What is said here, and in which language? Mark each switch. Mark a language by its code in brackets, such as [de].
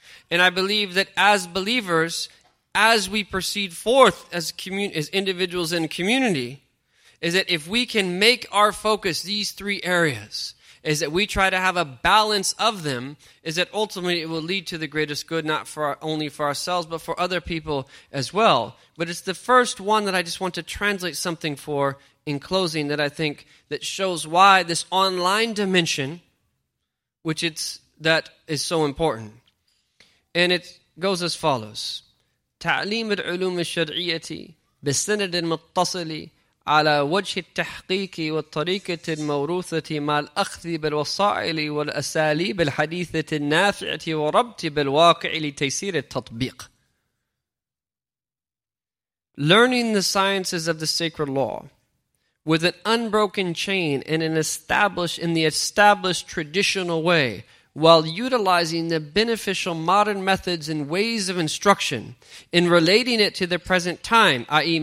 [en] And I believe that as believers, as we proceed forth as individuals in community, is that if we can make our focus these three areas, is that we try to have a balance of them, is that ultimately it will lead to the greatest good, not for only for ourselves, but for other people as well. But it's the first one that I just want to translate something for in closing that I think that shows why this online dimension, which it's that is so important. And it goes as follows. [ar] تعليم العلوم الشرعية بسند متصل على وجه التحقيق والطريقة الموروثة مع الأخذ بالوسائل والأساليب الحديثة النافعة وربط بالواقع لتيسير التطبيق. [en] Learning the sciences of the sacred law with an unbroken chain and in the established traditional way, while utilizing the beneficial modern methods and ways of instruction in relating it to the present time, i.e.